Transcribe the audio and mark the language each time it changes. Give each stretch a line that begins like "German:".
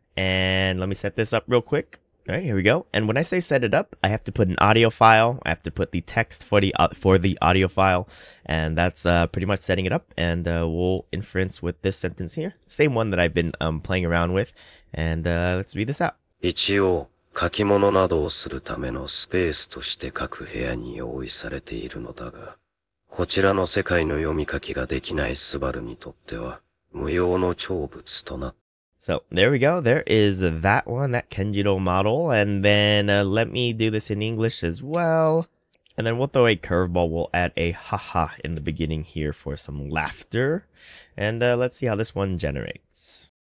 English: And let me set this up real quick. All right, here we go. And when I say set it up, I have to put an audio file. I have to put the text for the audio file. And that's pretty much setting it up. And we'll inference with this sentence here. Same one that I've been playing around with. And let's read this out.
Japanese: 一応、書き物などをするためのスペースとして各部屋に用意されているのだが、こちらの世界の読み書きができないスバルにとっては、無用の長物とな。
English: So, there we go. There is that one, that Kenjiro model. And then, let me do this in English as well. And then we'll throw a curveball. We'll add a haha in the beginning here for some laughter. And, let's see how this one generates.